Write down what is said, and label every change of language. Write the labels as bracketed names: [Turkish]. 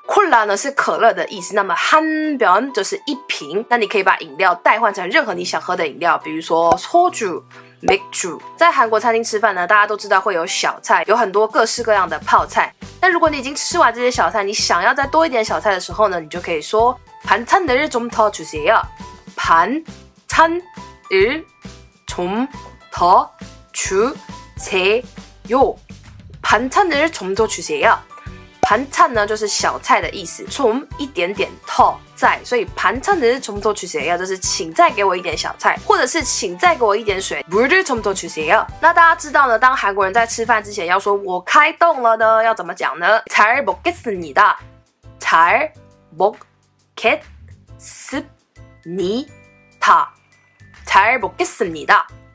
[Chinese] 콜라呢是可乐的意思，那么한 병就是一瓶。那你可以把饮料代换成任何你想喝的饮料，比如说 소주。 맥주，在韩国餐厅吃饭呢，大家都知道会有小菜，有很多各式各样的泡菜。但如果你已经吃完这些小菜，你想要再多一点小菜的时候呢，你就可以说 [Korean] 반찬을 좀 더 주세요. 반찬을 좀 더 주세요. 반찬을 좀 더 주세요. [Chinese] 반찬呢就是小菜的意思，좀一点点더在，所以 [Korean] 반찬은좀더주세요， [Chinese] 就是请再给我一点小菜，或者是请再给我一点水， [Korean] 물을좀더주세요。 [Chinese] 那大家知道呢，当韩国人在吃饭之前要说我开动了呢，要怎么讲呢？ [Korean] 잘먹겠습니다，잘먹겠습니다，잘먹겠습니다。